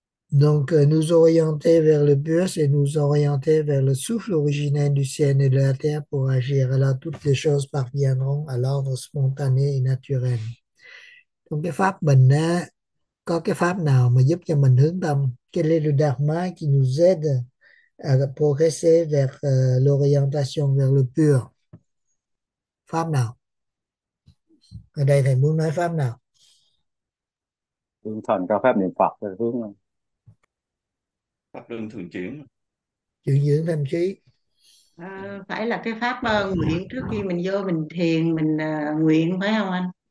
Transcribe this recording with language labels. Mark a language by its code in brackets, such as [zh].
[fr] Donc, nous orienter vers le pur, c'est nous orienter vers le souffle originel du ciel et de la terre pour agir. Alors, toutes les choses parviendront à l'ordre spontané et naturel. [vi] Donc, cái pháp mình, có cái pháp nào mà giúp cho mình hướng tâm? [fr] Quel est le dharma qui nous aide à progresser vers l'orientation vers le pur? [vi] Pháp nào? Ở đây, thầy muốn nói pháp nào? Hướng thần cao phép niệm Phật là hướng pháp luân thường chuyển Chuyển dưỡng tâm trí. phải là cái pháp nguyện trước khi mình vô mình thiền mình nguyện phải không anh?